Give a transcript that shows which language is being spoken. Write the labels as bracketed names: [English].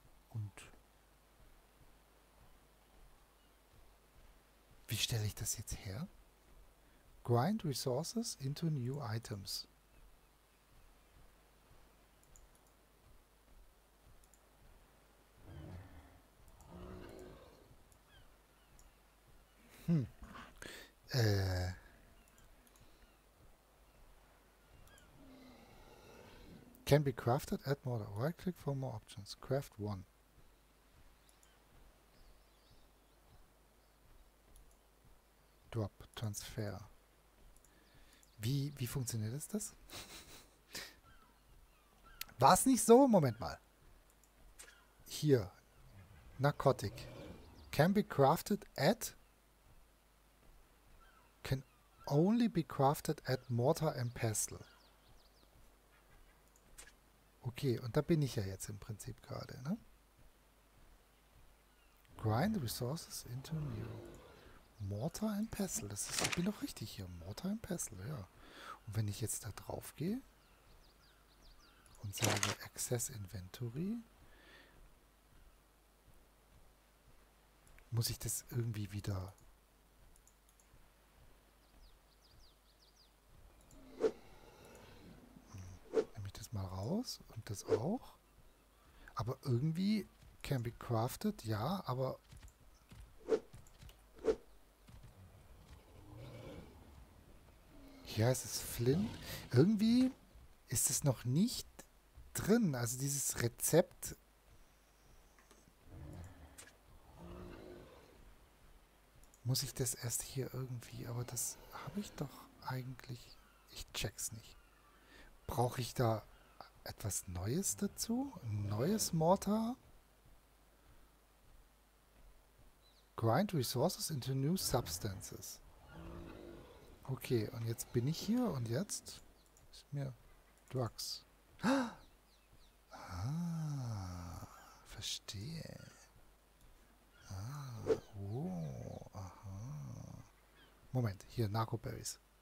[German] Und. Wie stelle ich das jetzt her? [English] Grind resources into new items. Can be crafted, add more. Right click for more options. Craft one. Drop, transfer. [German] Wie funktioniert das? War es nicht so? Moment mal. Hier. Narcotic. [English] Can be crafted at. Can only be crafted at Mortar and Pestle. [German] Okay, und da bin ich ja jetzt im Prinzip gerade, ne? [English] Grind resources into new. Mortar and Pestle. [German] Das ist, ich bin doch richtig hier. Mortar and Pestle, ja. Und wenn ich jetzt da drauf gehe und sage Access Inventory, muss ich das irgendwie wieder. Nehme ich das mal raus und das auch. Aber irgendwie [English] can be crafted, [German] ja, aber. Ja, es ist Flint. Irgendwie ist es noch nicht drin. Also dieses Rezept. Muss ich das erst hier irgendwie. Aber das habe ich doch eigentlich. Ich check's nicht. Brauche ich da etwas Neues dazu? Ein neues Mortar? [English] Grind resources into new substances. [German] Okay, und jetzt bin ich hier und jetzt ist mir Drugs. Ah, verstehe. Ah, oh, aha. Moment, hier, Narcoberries.